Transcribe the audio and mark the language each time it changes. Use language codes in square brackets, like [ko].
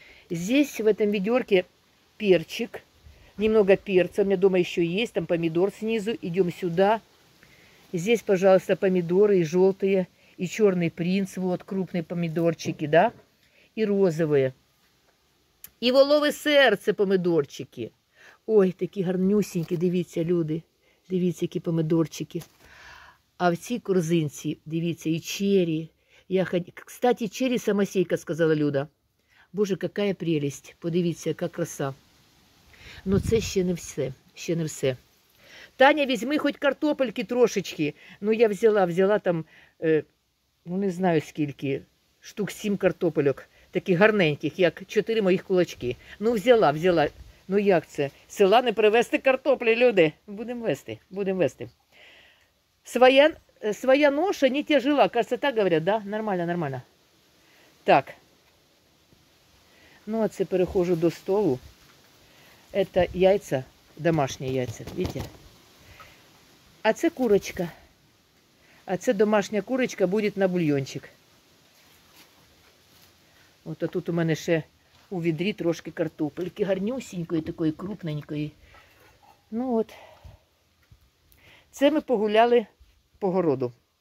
[ru] Здесь в этом ведерке перчик, немного перца, у меня дома еще есть, там помидор снизу, идем сюда. Здесь, пожалуйста, помидоры и желтые, и черный принц, вот крупные помидорчики, да? И розовые. И воловые сердце помидорчики. Ой, такие [uk] гарнюсенькие. Дивіться, люди. Дивіться, [ru] какие помидорчики. [uk] А в цій корзинці, дивіться, [ru] и черри. Я кстати, черри самосейка, сказала Люда. Боже, какая прелесть. [uk] Подивіться, яка краса. Но це ще не все. Ще не все. Таня, візьми хоть картопельки трошечки. Ну, я взяла там, ну, не знаю скільки, штук 7 картопельок. Таких гарненьких, як 4 моїх кулачки. Ну, взяла. Ну, як це? Села не привезти картоплі, люди. Будемо вести. [ru] Своя ноша не тяжела. Кажется, так говорять, да? Нормально. Так. [uk] Ну, а це перехожу до столу. [ru] Это яйца, [uk] домашні яйца, видите? А це курочка. А це домашня курочка буде на бульйончик. Вот, а тут у мене ще у відрі трошки картопельки гарнюсенької, такої крупненької. Ну от. Це ми погуляли по городу.